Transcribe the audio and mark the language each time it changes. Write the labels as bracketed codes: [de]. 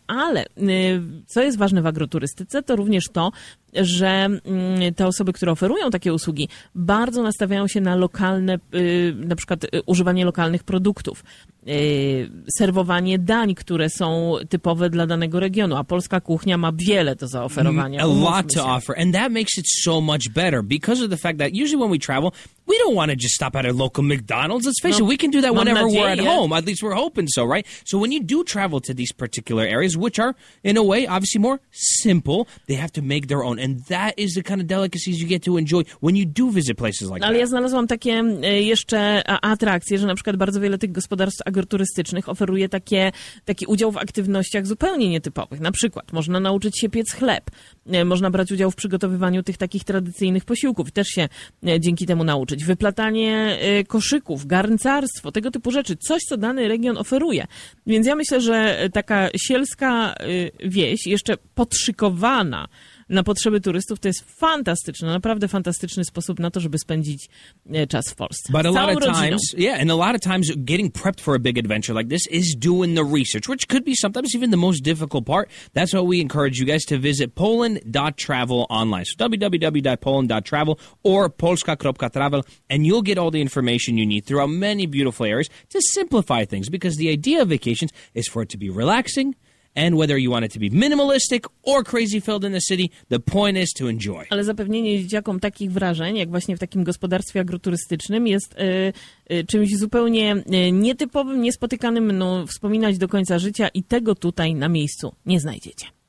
[pl] Ale co jest ważne w agroturystyce, to również to, że te osoby, które oferują takie usługi, bardzo nastawiają się na lokalne, na przykład używanie lokalnych produktów, serwowanie dań, które są typowe dla danego regionu, a polska kuchnia ma wiele do zaoferowania. [en] A lot to offer, and that makes it so much better because of the fact that usually when we travel, we don't want to just stop at our local McDonald's. Let's face it, we can do that whenever we're at home. At least we're hoping so, right? So when you do travel to these particular areas, which are, in a way, obviously more simple, they have to make their own. And that is the kind of delicacies you get to enjoy when you do visit places like that. [pl] Ale ja znalazłam takie jeszcze atrakcje, że na przykład bardzo wiele tych gospodarstw agroturystycznych oferuje taki udział w aktywnościach zupełnie nietypowych. Na przykład można nauczyć się piec chleb. Można brać udział w przygotowywaniu tych takich tradycyjnych posiłków. Też się dzięki temu nauczyć. Wyplatanie koszyków, garncarstwo, tego typu rzeczy. Coś, co dany region oferuje. Więc ja myślę, że taka sielska wieś, jeszcze podszykowana na potrzeby turystów, to jest fantastyczny, naprawdę fantastyczny sposób na to, żeby spędzić czas w Polsce. [en] But a lot of times, and a lot of times getting prepped for a big adventure like this is doing the research, which could be sometimes even the most difficult part. That's why we encourage you guys to visit poland.travel online. So www.poland.travel or polska.travel, and you'll get all the information you need throughout many beautiful areas to simplify things, because the idea of vacations is for it to be relaxing. And whether you want it to be minimalistic or crazy filled in the city, the point is to enjoy. [pl] Ale zapewnienie dzieciakom takich wrażeń, jak właśnie w takim gospodarstwie agroturystycznym, jest czymś zupełnie nietypowym, niespotykanym, no, wspominać do końca życia, i tego tutaj na miejscu nie znajdziecie.